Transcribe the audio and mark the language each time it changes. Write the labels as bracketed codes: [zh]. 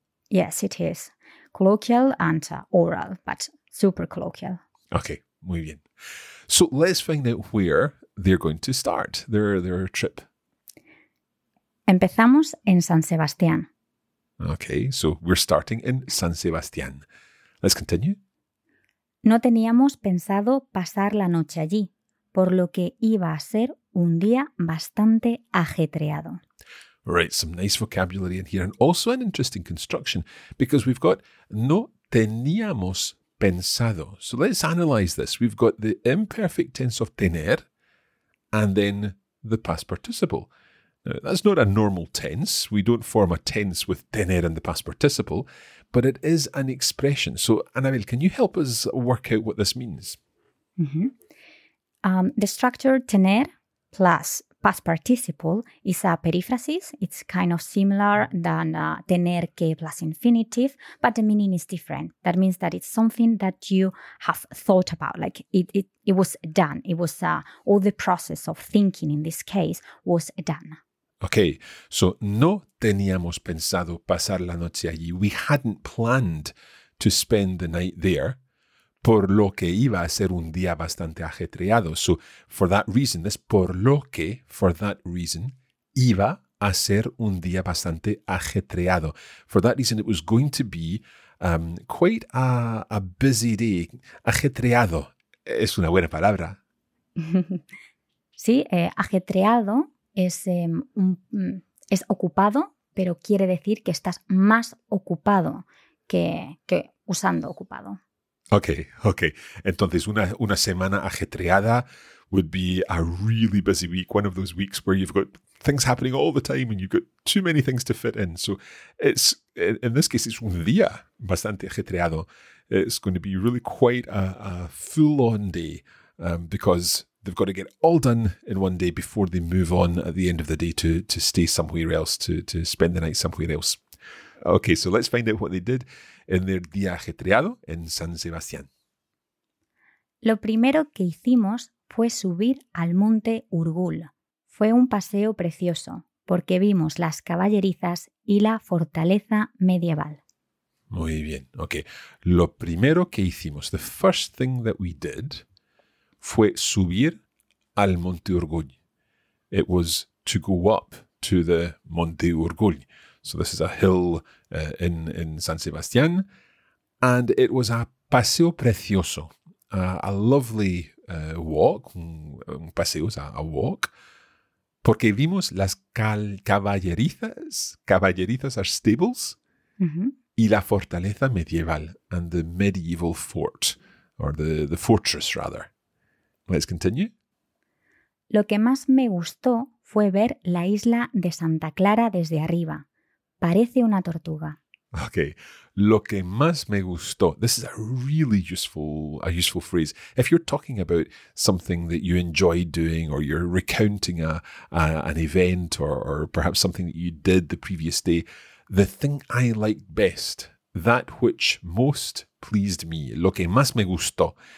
[en] Yes, it is. Colloquial and oral, but super colloquial. [es] Okay, muy bien. [en] So let's find out where they're going to start their trip. [es] Empezamos en San Sebastián. [en] Okay, so we're starting in San Sebastián. Let's continue. [es] No teníamos pensado pasar la noche allí, por lo que iba a ser un día bastante ajetreado. [en] Right, some nice vocabulary in here, and also an interesting construction, because we've got no teníamos pensado. So let's analyze this. We've got the imperfect tense of tener, and then the past participle. Now, that's not a normal tense. We don't form a tense with tener and the past participle, but it is an expression. So, Anabel, can you help us work out what this means? Mm-hmm. The structure tener plus past participle is a periphrasis. It's kind of similar than tener que plus infinitive, but the meaning is different. That means that it's something that you have thought about, like it was done. It was all the process of thinking in this case was done. [es] Okay, so no teníamos pensado pasar la noche allí. [en] We hadn't planned to spend the night there, por lo que iba a ser un día bastante ajetreado. So for that reason, this por lo que, for that reason, iba a ser un día bastante ajetreado. For that reason, it was going to be quite a busy day. [es] Ajetreado es una buena palabra. Sí, ajetreado. Es ocupado, pero quiere decir que estás más ocupado que usando ocupado. [en] Okay. Entonces, una semana ajetreada would be a really busy week, one of those weeks where you've got things happening all the time and you've got too many things to fit in. So, it's in this case, it's un día bastante ajetreado. It's going to be really quite a full-on day because they've got to get all done in one day before they move on at the end of the day to stay somewhere else, to spend the night somewhere else. Okay, so let's find out what they did in their día ajetreado en San Sebastián. [es] Lo primero que hicimos fue subir al monte Urgul. Fue un paseo precioso porque vimos las caballerizas y la fortaleza medieval. Muy bien, okay. Lo primero que hicimos, the first thing that we did, fue subir al Monte Urgull. [en] It was to go up to the Monte Urgull. So this is a hill in San Sebastián. And it was a paseo precioso, a lovely walk, un paseo, a walk. [es] Porque vimos las caballerizas. [en] Caballerizas are stables. Mm-hmm. Y la fortaleza medieval, and the medieval fort, or the fortress rather. Let's continue. [es] Lo que más me gustó fue ver la isla de Santa Clara desde arriba. Parece una tortuga. Okay. Lo que más me gustó. [en] This is a really useful phrase. If you're talking about something that you enjoyed doing, or you're recounting an event, or perhaps something that you did the previous day, the thing I liked best, that which most pleased me, lo que más me gustó.